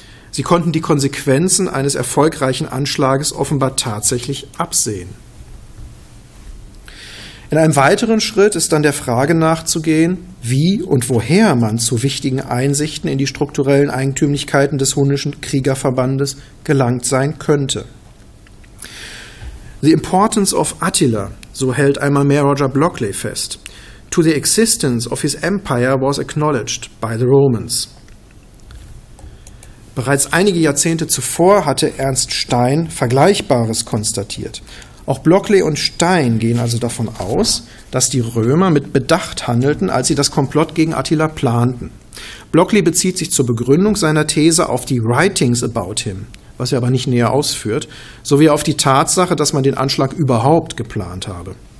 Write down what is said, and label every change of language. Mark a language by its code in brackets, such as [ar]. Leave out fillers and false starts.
[de] Sie konnten die Konsequenzen eines erfolgreichen Anschlages offenbar tatsächlich absehen. In einem weiteren Schritt ist dann der Frage nachzugehen, wie und woher man zu wichtigen Einsichten in die strukturellen Eigentümlichkeiten des hunnischen Kriegerverbandes gelangt sein könnte. [en] The importance of Attila, [de] so hält einmal mehr Roger Blockley fest, [en] to the existence of his empire was acknowledged by the Romans. [de] Bereits einige Jahrzehnte zuvor hatte Ernst Stein Vergleichbares konstatiert. Auch Blockley und Stein gehen also davon aus, dass die Römer mit Bedacht handelten, als sie das Komplott gegen Attila planten. Blockley bezieht sich zur Begründung seiner These auf die [en] Writings about him, [de] was er aber nicht näher ausführt, sowie auf die Tatsache, dass man den Anschlag überhaupt geplant habe.